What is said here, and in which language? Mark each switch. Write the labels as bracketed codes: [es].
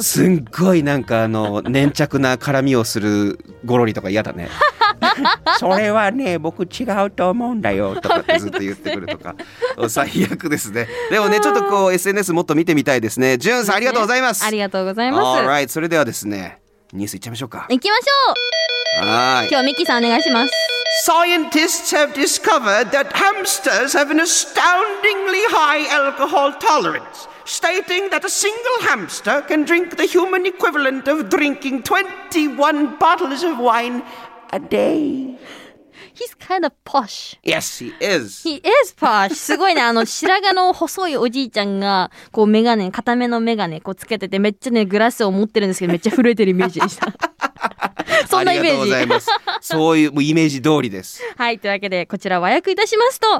[ja] すんごいなんか粘着な絡みをするゴロリとか嫌だねそれはね僕違うと思うんだよとかってずっと言ってくるとか最悪ですね。でもねちょっとこう SNS もっと見てみたいですね。ジュンさんありがとうございます、ね、ありがとうございます。 Alright、 それではですねニュースいっちゃいましょうか。いきましょう。はい、今日はミキさんお願いします。 [en] Scientists have discovered that hamsters have an astoundingly high alcohol tolerance, stating that a single hamster can drink the human equivalent of drinking 21 bottles of wine a day. He's kind of posh. Yes, he is. He is posh. [ja] すごいね。白髪の細いおじいちゃんが、こうメガネ、固めのメガネ、こうつけてて、めっちゃね、グラスを持ってるんですけど、めっちゃ震えてるイメージでした。そんなイメージ。ありがとうございます。そういうイメージ通りです。はい。というわけで、こちら和訳いたしますと、